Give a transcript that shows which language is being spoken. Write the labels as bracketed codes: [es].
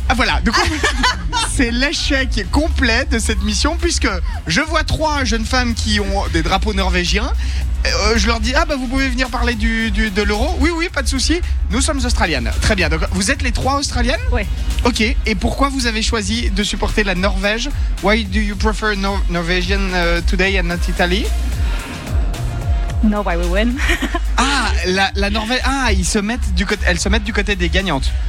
[fr] Ah voilà, du coup, c'est l'échec complet de cette mission puisque je vois trois jeunes femmes qui ont des drapeaux norvégiens. Je leur dis, vous pouvez venir parler de l'euro. Oui, pas de souci. Nous sommes australiennes. Très bien. Donc, vous êtes les trois australiennes? Oui. Ok. Et pourquoi vous avez choisi de supporter la Norvège? [en] Why do you prefer Norwegian today and not Italy? Norway will win. [fr] La Norvège. Ah, elles se mettent du côté des gagnantes.